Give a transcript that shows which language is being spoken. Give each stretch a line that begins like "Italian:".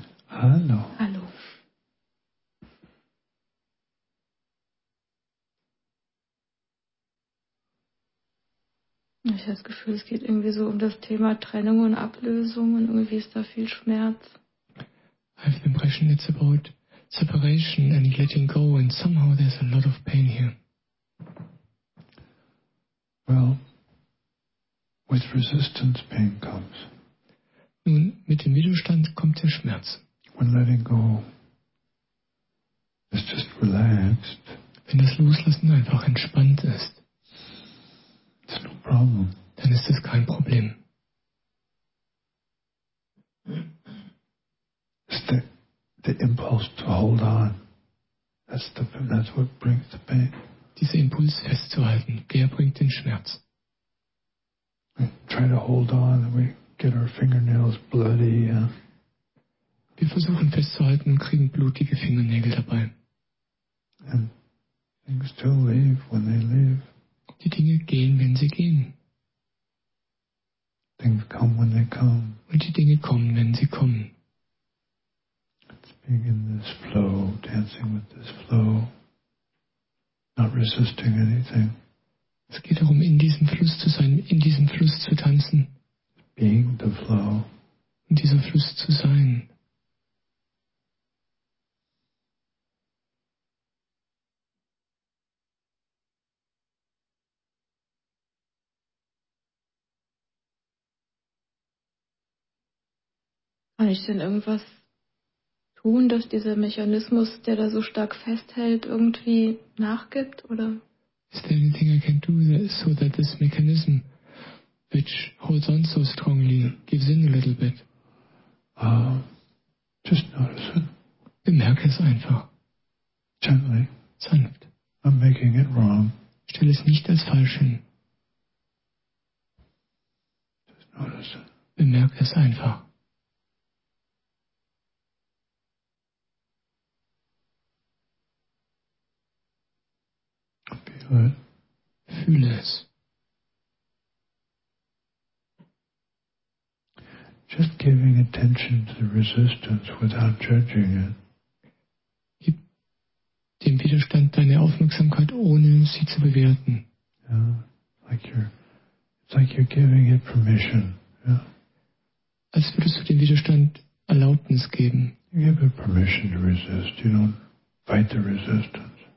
German: Hallo. Hallo. Ich habe das Gefühl, es geht irgendwie so um das Thema Trennung und Ablösung, und irgendwie ist da viel Schmerz.
English: I have the impression it's about separation and letting go, and somehow there's a lot of pain here. Well, with resistance pain comes.
German: Nun, mit dem Widerstand kommt der Schmerz.
English: When letting go is just relaxed,
German: wenn das Loslassen einfach entspannt ist,
English: it's no problem.
German: Dann ist es kein Problem.
English: It's the impulse to hold on. That's what brings the pain.
German: Dieser Impuls festzuhalten, der bringt den Schmerz.
English: We try to hold on and we get our fingernails bloody.
German: Wir versuchen festzuhalten und kriegen blutige Fingernägel dabei.
English: And things do leave when they leave.
German: Die Dinge gehen, wenn sie gehen.
English: Things come when they come.
German: Und die Dinge kommen, wenn sie kommen.
English: It's being in this flow, dancing with this flow, not resisting anything.
German: Es geht darum, in diesem Fluss zu sein, in diesem Fluss zu tanzen.
English: Being the flow.
German: In diesem Fluss zu sein. Kann ich denn irgendwas tun, dass dieser Mechanismus, der da so stark festhält, irgendwie nachgibt, oder?
English: Is there anything I can do so that this mechanism, which holds on so strongly, gives in a little bit? Just notice it.
German: Bemerke es einfach.
English: Gently.
German: Sanft.
English: I'm making it wrong.
German: Stell es nicht als falsch hin. Bemerke es einfach. Fühle es.
English: Just giving attention to the resistance without judging it.
German: Gib dem Widerstand deine Aufmerksamkeit, ohne sie zu bewerten.
English: Yeah, it's like you're giving it permission. Yeah.
German: Als würdest du dem Widerstand Erlaubnis geben.
English: You give it permission to resist. You don't fight the resistance.